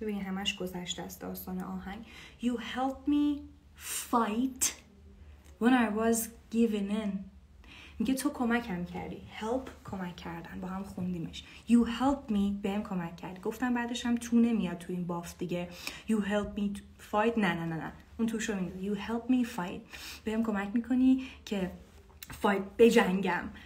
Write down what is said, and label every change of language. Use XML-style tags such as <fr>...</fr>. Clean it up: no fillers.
<fa>ببینید همش گذشته است داستان آهنگ.</fa> <en>You helped me fight when I was given in.</en> <fa>میگه تو کمکم کردی. help کمک کردن با هم خوندیمش.</fa> <en>you help me</en> <fa>بهم کمک کردی. گفتم بعدش هم تو نمیاد تو این باف دیگه.</fa> <en>you help me fight.</en> <fa>نه اون تو شو میگه</fa> <en>you help me fight.</en> <fa>بهم کمک میکنی که fight بجنگم.</fa>